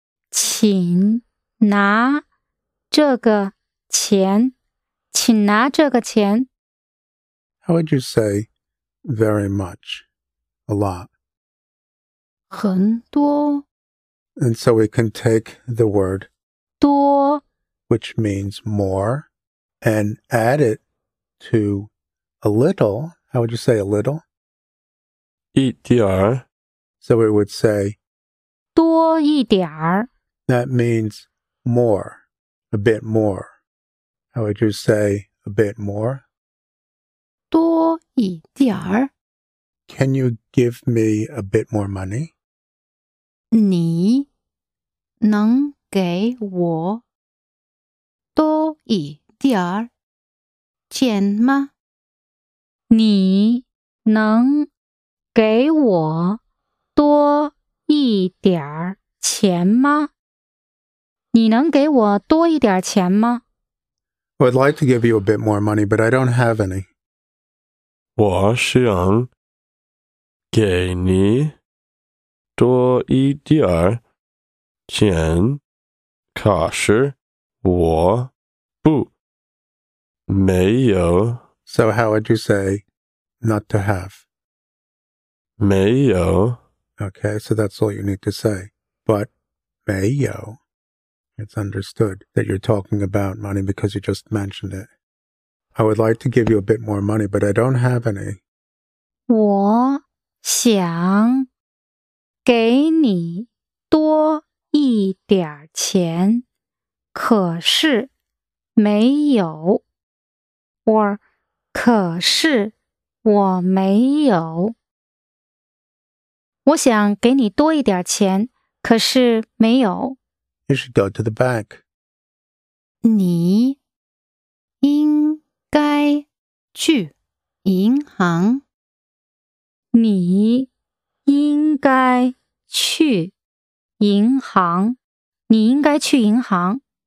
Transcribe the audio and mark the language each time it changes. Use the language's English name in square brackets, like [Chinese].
[Chinese] 请拿这个钱请拿这个钱 [English] How would you say very much, a lot? [Chinese] 很多 [English] And so we can take the word [Chinese] 多 [English] which means more, and add it to a little. How would you say a little? [Chinese] 一点儿 [English] So we would say [Chinese] 多一点儿 [English] That means,More, a bit more. How would you say a bit more? [Chinese] 多一点儿。 [English] Can you give me a bit more money? [Chinese] 你能给我多一点儿钱吗？你能给我多一点儿钱吗？你能给我多一点钱吗? [English] Well, I'd like to give you a bit more money, but I don't have any. [Chinese] 我想给你多一点钱,可是我不没有。 [English] So how would you say not to have? [Chinese] 没有。 [English] Okay, so that's all you need to say. But 没有。 It's understood that you're talking about money because you just mentioned it. I would like to give you a bit more money, but I don't have any. [Chinese] 我想给你多一点钱,可是没有。 Or, 可是我没有。我想给你多一点钱,可是没有。 [English] You should go to the bank. [Chinese] 你应该去银行。你应该去银行。你应该去银行。